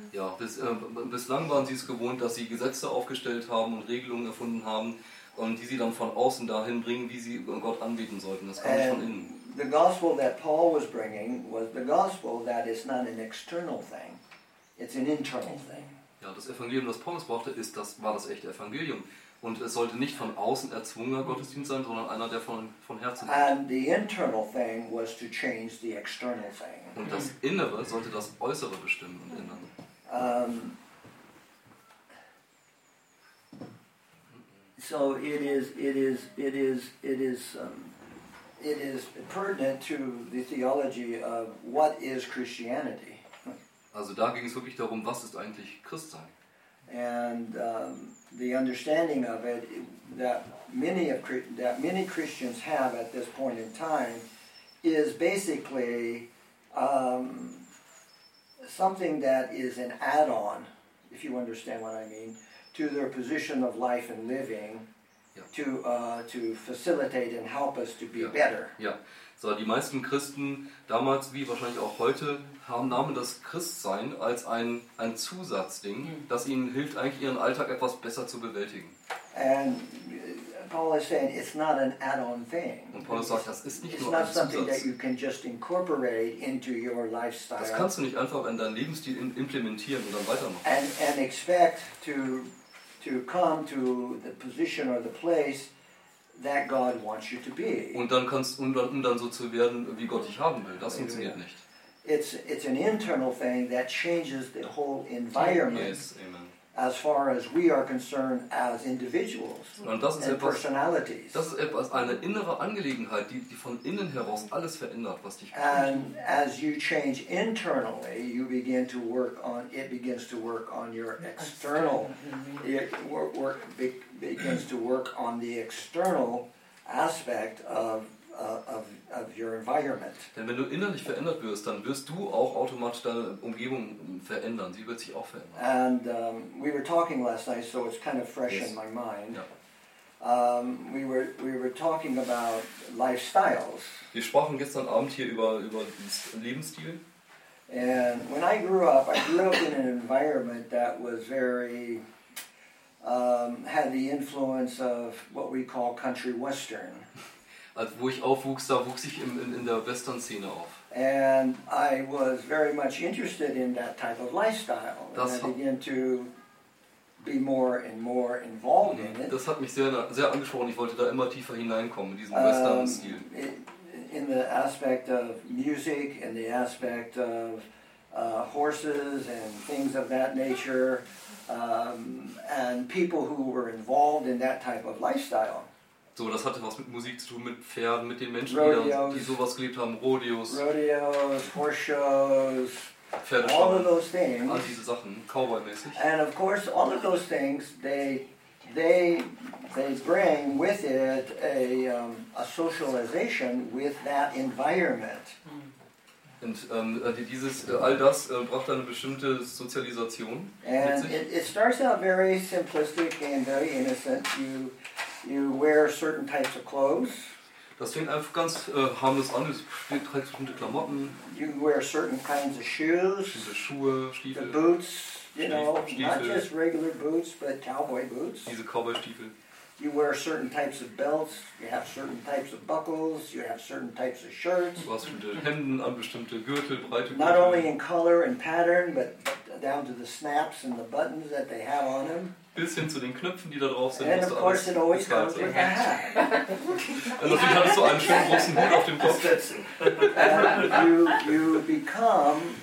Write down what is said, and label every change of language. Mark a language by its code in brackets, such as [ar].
[de] Ja, bislang waren sie es gewohnt, dass sie Gesetze aufgestellt haben und Regelungen erfunden haben, und die sie dann von außen dahin bringen, wie sie Gott anbieten sollten. Das kam nicht von innen. [en] The gospel that Paul was bringing was the gospel that is not an external thing; it's an internal thing. [de] Ja, das Evangelium, das Paulus brachte, war das echte Evangelium, und es sollte nicht von außen erzwungener Gottesdienst sein, sondern einer, der von Herzen. [en] And the internal thing was to change the external thing. [de] Und das Innere sollte das Äußere bestimmen und ändern. [en] So it is pertinent to the theology of what is Christianity. [de] Also da ging es wirklich darum, was ist eigentlich Christsein? [en] And the understanding of it that many Christians have at this point in time is basically something that is an add-on, if you understand what I mean, to their position of life and living. To facilitate and help us to be better. [de] Ja, so die meisten Christen damals wie wahrscheinlich auch heute nahmen das Christsein als ein Zusatzding, das ihnen hilft eigentlich ihren Alltag etwas besser zu bewältigen. [en] And Paul is saying it's not an add-on thing. [de] Und Paulus sagt, das ist nicht [en] it's [de] nur [en] not [de] ein Zusatz. [en] Something that you can just incorporate into your lifestyle. [de] Das kannst du nicht einfach in deinen Lebensstil implementieren und dann weitermachen. [en] And expect to come to the position or the place that God wants you to be. [de] Und dann kannst um dann so zu werden, wie Gott dich haben will. Das funktioniert nicht. [en] It's an internal thing that changes the whole environment. Yes, amen. As far as we are concerned as individuals. [de] Und das ist [en] and [de] etwas, [en] personalities. [de] Das ist etwas eine innere Angelegenheit, die von innen heraus alles verändert, was dich. [en] And as you change internally, you begin to work on it begins to work on your external it work begins to work on the external aspect of your environment. [de] Denn wenn du innerlich verändert wirst, dann wirst du auch automatisch deine Umgebung verändern. Sie wird sich auch verändern. [en] And we were talking last night, so it's kind of fresh in my mind. [de] Ja. [en] We were talking about lifestyles. [de] Wir sprachen gestern Abend hier über Lebensstil. [en] And when I grew up in an environment that was very had the influence of what we call country western. [de] Also, wo ich aufwuchs, da wuchs ich in der Western-Szene auf. [en] And I was very much interested in that type of lifestyle. [de] Das [en] and I began to be more and more involved in it. [de] Das hat mich sehr, sehr angesprochen. Ich wollte da immer tiefer hineinkommen, in diesen Western-Stil. [en] In the aspect of music, in the aspect of horses and things of that nature, and people who were involved in that type of lifestyle. [de] So, das hatte was mit Musik zu tun, mit Pferden, mit den Menschen, die sowas gelebt haben, Rodeos. [en] Rodeos, horse shows, all of those things. [de] All diese Sachen, cowboy-mäßig. [en] And of course, all of those things, they bring with it a socialization with that environment. [de] Und dieses all das braucht eine bestimmte Sozialisation. [en] And it starts out very simplistic and very innocent. You wear certain types of clothes. [de] Das fängt einfach ganz harmlos an. Du trägst bestimmte Klamotten. [en] You wear certain kinds of shoes. [de] Diese Schuhe, Stiefel. [en] The boots, not just regular boots, but cowboy boots. [de] Diese Cowboy-Stiefel. [en] You wear certain types of belts. You have certain types of buckles. You have certain types of shirts. [de] Du hast bestimmte Hemden an, bestimmte Gürtel, breite Gürtel. [en] Not only in color and pattern, but down to the snaps and the buttons that they have on them. [de] Bis hin zu den Knöpfen, die da drauf sind. [en] And of course, it always comes with a hat. [de] Und natürlich hattest du einen schönen großen Hut auf dem Kopf.